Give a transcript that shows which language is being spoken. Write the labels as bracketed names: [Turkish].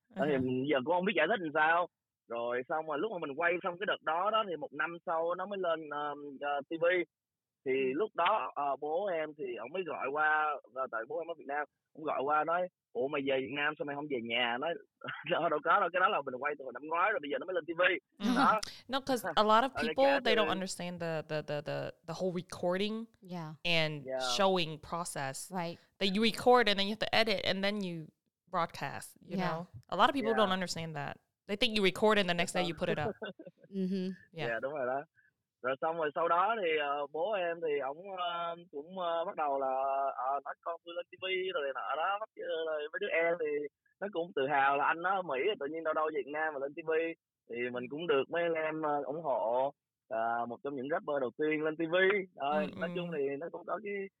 [Vietnamese] Thì giờ cũng không biết giải thích làm sao. Rồi xong rồi lúc mà mình quay xong cái đợt đó thì một năm sau nó mới lên TV. Thì lúc đó bố em thì ông mới gọi qua, tại bố em ở Việt Nam, ông gọi qua nói ủa mày về Việt Nam sao mày không về nhà, nói đâu có đâu, cái đó là mình quay từ năm ngoái rồi bây giờ nó mới lên TV. [English] No, because a lot of people they don't understand the whole recording and showing process. Right. That you record and then you have to edit and then you broadcast, you know. A lot of people don't understand that. They think you record and the next day you put it up. [Vietnamese] Yeah, đúng rồi đó. Rồi xong rồi sau đó thì bố em thì ổng cũng bắt đầu là nói con tôi lên TV rồi nọ đó, rồi mấy đứa em thì nó cũng tự hào là anh nó ở Mỹ tự nhiên đâu Việt Nam mà lên TV. Thì mình cũng được mấy anh em ủng hộ, một trong những rapper đầu tiên lên TV. Nói chung thì nó cũng có cái